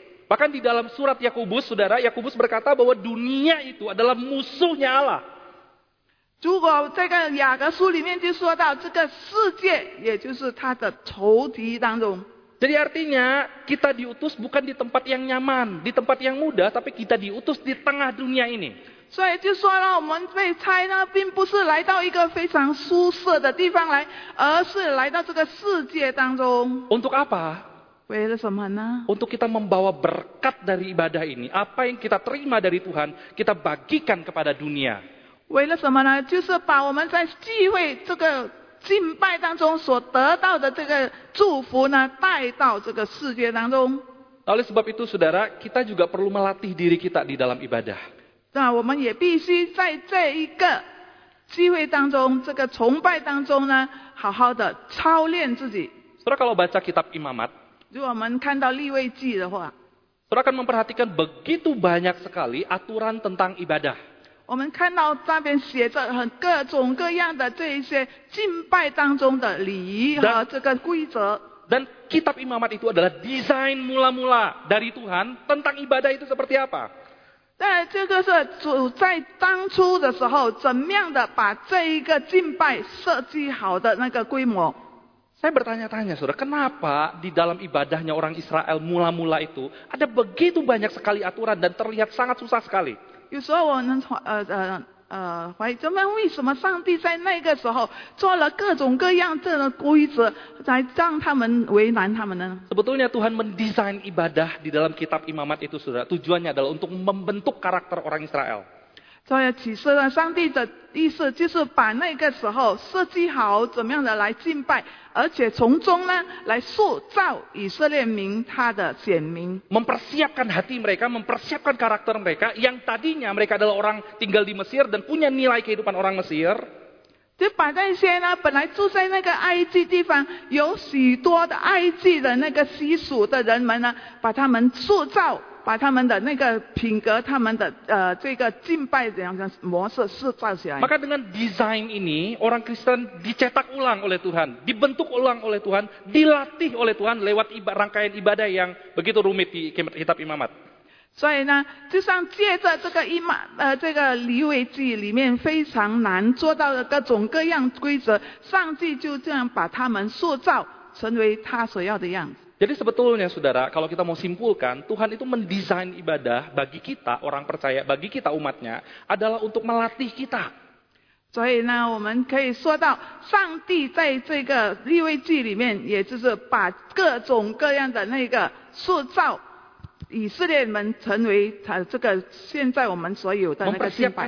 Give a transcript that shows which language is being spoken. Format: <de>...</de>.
<id>Bahkan di dalam surat Yakobus, saudara, Yakobus berkata bahwa dunia itu adalah musuhnya Allah.</id> <zh>如果这个雅各书里面就说到这个世界，也就是他的仇敌当中。</zh> <id>Jadi artinya kita diutus bukan di tempat yang nyaman, di tempat yang mudah, tapi kita diutus di tengah dunia ini.</id> <zh>所以就说了，我们被差呢，并不是来到一个非常舒适的地方来，而是来到这个世界当中。</zh> <id>Untuk apa？</id> <zh>为了什么呢？</zh> <id>Untuk kita membawa berkat dari ibadah ini, apa yang kita terima dari Tuhan, kita bagikan kepada dunia.</id> <zh>为了什么呢？就是把我们在聚会这个敬拜当中所得到的这个祝福呢，带到这个世界当中。</zh> <id>Oleh sebab itu, saudara, kita juga perlu melatih diri kita di dalam ibadah.</id> <zh>那我们也必须在这一个聚会当中，这个崇拜当中呢，好好的操练自己。</zh> <id>Saudara, kalau baca kitab Imamat,</id> <zh>如果我们看到立位记的话，</zh> <id>saudara akan memperhatikan begitu banyak sekali aturan tentang ibadah.</id> <zh>我们看到那边写着很各种各样的这一些敬拜当中的礼仪和这个规则。</zh> <id>Dan kitab imamat itu adalah desain mula-mula dari Tuhan tentang ibadah itu seperti apa.</id> <zh>当然，这个是主在当初的时候怎么样的把这一个敬拜设计好的那个规模。</zh> <id>Saya bertanya-tanya, saudara, kenapa di dalam ibadahnya orang Israel mula-mula itu ada begitu banyak sekali aturan dan terlihat sangat susah sekali.</id> <zh>有时候我们怀疑，怎么为什么上帝在那个时候做了各种各样这的规则，来让他们为难他们呢？</zh> <id>Sebetulnya Tuhan mendesain ibadah di dalam kitab imamat itu, saudara, tujuannya adalah untuk membentuk karakter orang Israel.</id> <zh>所以其实呢，上帝的意思就是把那个时候设计好怎么样的来敬拜，而且从中呢来塑造以色列民他的显明。</zh> <id>Mempersiapkan hati mereka, mempersiapkan karakter mereka yang tadinya mereka adalah orang tinggal di Mesir dan punya nilai kehidupan orang Mesir.</id> <zh>就把那些呢本来住在那个埃及地方有许多的埃及的那个习俗的人们呢，把他们塑造。把他们的那个品格，他们的这个敬拜这样的模式塑造起来。</zh> <id>Maka dengan desain ini, orang Kristen dicetak ulang oleh Tuhan, dibentuk ulang oleh Tuhan, dilatih oleh Tuhan lewat rangkaian ibadah yang begitu rumit di kitab imamat.</id> <zh>所以呢，就像借着这个这个立位记里面非常难做到的各种各样规则，上帝就这样把他们塑造成为他所要的样子。</zh> <id>Jadi sebetulnya saudara, kalau kita mau simpulkan, Tuhan itu mendesain ibadah bagi kita orang percaya, bagi kita umatnya adalah untuk melatih kita.</id> <zh>所以呢，我们可以说到，上帝在这个立位记里面，也就是把各种各样的那个塑造以色列们成为他这个现在我们所有的那个敬拜。</zh>